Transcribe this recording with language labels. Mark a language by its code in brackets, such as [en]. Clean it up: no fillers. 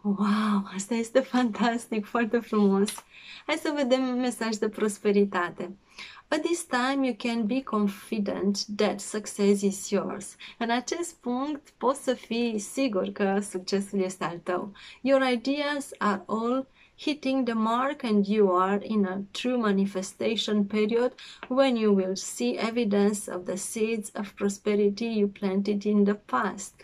[ro] Wow, asta este fantastic, foarte frumos. Hai să vedem un mesaj de prosperitate. [en] At this time, you can be confident that success is yours. [ro] În acest punct, poți să fii sigur că succesul este al tău. [en] Your ideas are all hitting the mark and you are in a true manifestation period when you will see evidence of the seeds of prosperity you planted in the past.